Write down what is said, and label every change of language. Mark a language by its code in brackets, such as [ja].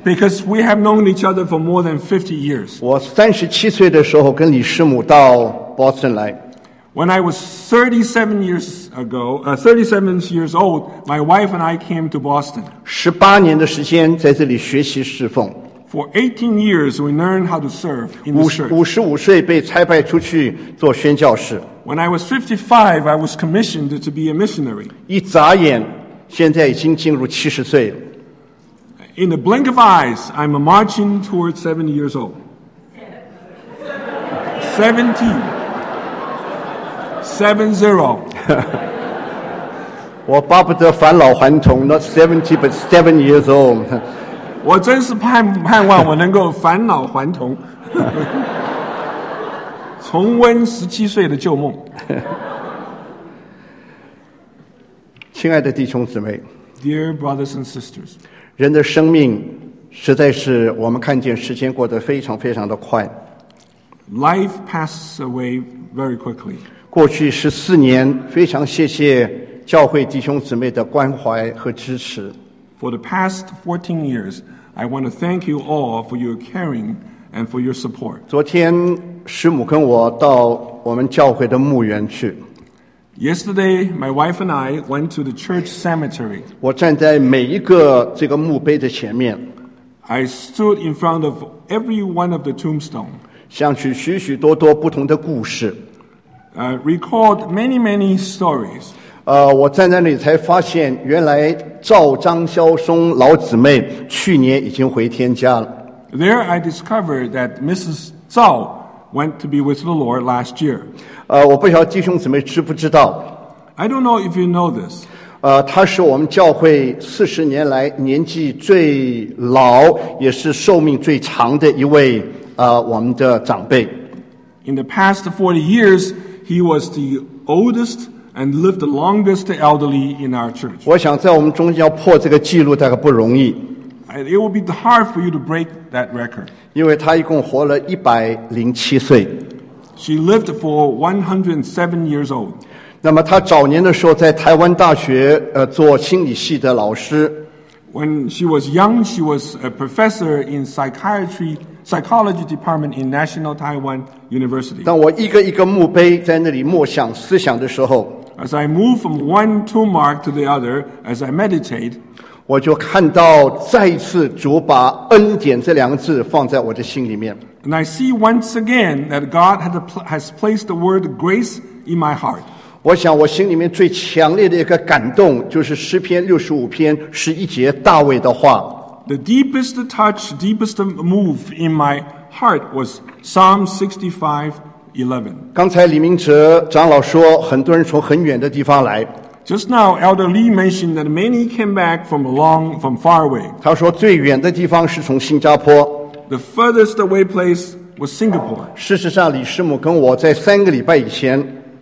[en] Because we have known each other for more than 50 years. [zh] 我37岁的时候跟李师母到Boston来。 [en] When I was 37 years ago, 37 years old, my wife and I came to Boston. [zh] 18年的时间在这里学习侍奉。 [en] For 18 years, we learned how to serve in the church. [zh] 55岁被差派出去做宣教士。 [en] When I was 55, I was commissioned to be a missionary. [zh] 一眨眼,现在已经进入70岁了。 [en] In the blink of eyes, I'm marching towards 70 years old. 70. [zh] 我巴不得返老还童, [en] not 70, but 7 years old. [zh] 我真是盼望我能够返老还童。重温17岁的旧梦。亲爱的弟兄姊妹, [en] Dear brothers and sisters, [zh] 人的生命实在是我们看见时间过得非常非常的快。 [en] Life passes away very quickly. [zh] 过去14年, 非常谢谢教会弟兄姊妹的关怀和支持。 [en] For the past 14 years, I want to thank you all for your caring and for your support. [zh] 昨天, 师母跟我到我们教会的墓园去。 [en] Yesterday, my wife and I went to the church cemetery. [zh] 我站在每一个这个墓碑的前面。 [en] I stood in front of every one of the tombstones. [zh] 想起许许多多不同的故事。 [en] Recalled many, many stories. [zh] 我站在那里才发现，原来赵张萧松老姊妹去年已经回天家了。 [en] There, I discovered that Mrs. Zhao went to be with the Lord last year. [zh] 我不晓得弟兄姊妹知不知道。 [en] I don't know if you know this. [zh] 他是我们教会四十年来年纪最老，也是寿命最长的一位我们的长辈。 [en] In the past 40 years, he was the oldest and lived the longest elderly in our church. [zh] 我想在我们中间要破这个记录大概不容易。 [en] It will be hard for you to break that record. [zh] 因为他一共活了107岁。 [en] She lived for 107 years old. [zh] 那么他早年的时候在台湾大学做心理系的老师。 [en] When she was young, she was a professor in psychology department in National Taiwan University. [zh] 当我一个一个墓碑在那里默想思想的时候， [en] As I move from one tomb mark to the other, as I meditate, [zh] 我就看到再一次主把恩典这两个字放在我的心里面。 [en] And I see once again that God has placed the word grace in my heart. [zh] 我想我心里面最强烈的一个感动就是诗篇65篇11节大卫的话。 [en] The deepest touch, deepest move in my heart was Psalm 65:11. [zh] 刚才李明哲长老说，很多人从很远的地方来。 [en] Just now, Elder Lee mentioned that many came back from far away. [zh] 他说最远的地方是从新加坡。 [en] The furthest away place was Singapore. [zh] 事实上，李师母跟我在三个礼拜以前。